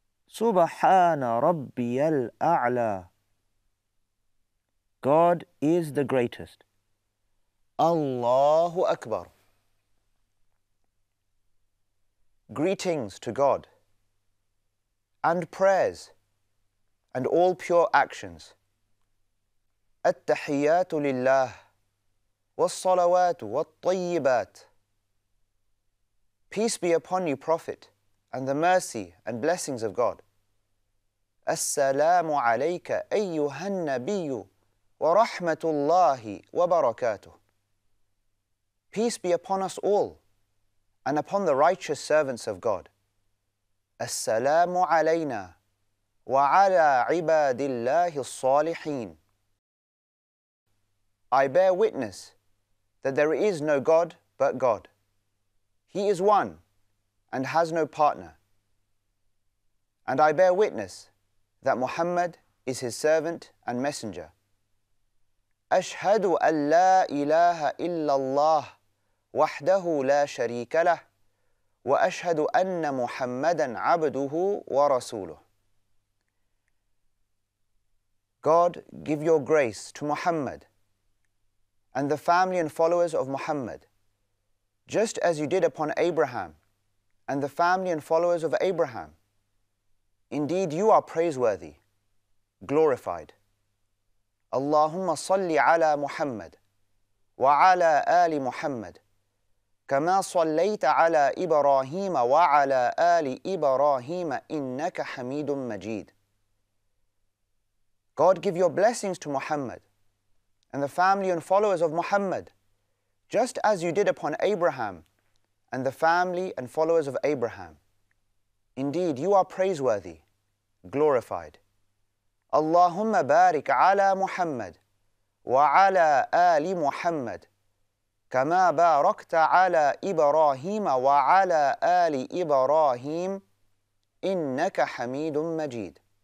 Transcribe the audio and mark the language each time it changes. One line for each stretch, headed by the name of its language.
Arabic: سبحان ربي الأعلى.
English: God is the greatest.
Arabic: الله أكبر.
English: Greetings to God, and prayers, and all pure actions.
Arabic: التحيات لله والصلوات والطيبات.
English: Peace be upon you, Prophet, and the mercy and blessings of God.
Arabic: السلام عليك أيها النبي ورحمة الله وبركاته.
English: Peace be upon us all. And upon the righteous servants of God.
Arabic: As-salamu alayna wa ala ibadillahi al-salihin.
English: I bear witness that there is no God but God. He is one and has no partner. And I bear witness that Muhammad is his servant and messenger.
Arabic: Ashhadu an la ilaha illallah wahdahu la sharika lah. وأشهد أن محمدًا عبده ورسوله.
English: God, give your grace to Muhammad and the family and followers of Muhammad, just as you did upon Abraham and the family and followers of Abraham. Indeed, you are praiseworthy, glorified.
Arabic: اللهم صل على محمد وعلى آل محمد. كما صليت على إبراهيم وعلى آل إبراهيم إنك حميد مجيد.
English: God, give your blessings to Muhammad and the family and followers of Muhammad, just as you did upon Abraham and the family and followers of Abraham. Indeed, you are praiseworthy, glorified.
Arabic: اللهم بارك على محمد وعلى آل محمد. كما باركت على إبراهيم وعلى آل إبراهيم إنك حميد مجيد.